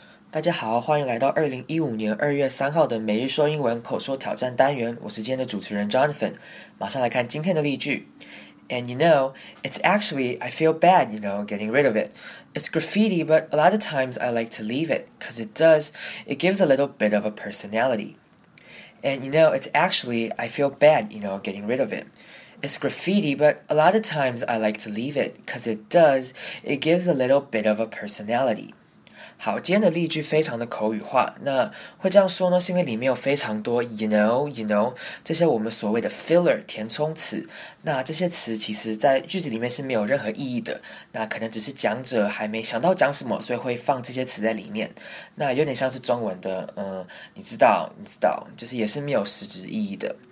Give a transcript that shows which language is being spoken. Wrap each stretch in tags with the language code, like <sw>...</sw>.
<zh>大家好，欢迎来到2015年2月3号的每日说英文口说挑战单元。我是今天的主持人 Jonathan。马上来看今天的例句。</zh> <en>And you know, it's actually, I feel bad, you know, getting rid of it. It's graffiti, but a lot of times I like to leave it, because it gives a little bit of a personality. And you know, it's actually, I feel bad, you know, getting rid of it. It's graffiti, but a lot of times I like to leave it, because it gives a little bit of a personality.</en> <zh>好，今天的例句非常的口语化，那会这样说呢，是因为里面有非常多</zh> <en>you know,</en> <zh>这些我们所谓的 filler, 填充词，那这些词其实在句子里面是没有任何意义的，那可能只是讲者还没想到讲什么，所以会放这些词在里面，那有点像是中文的，你知道，就是也是没有实质意义的。</zh>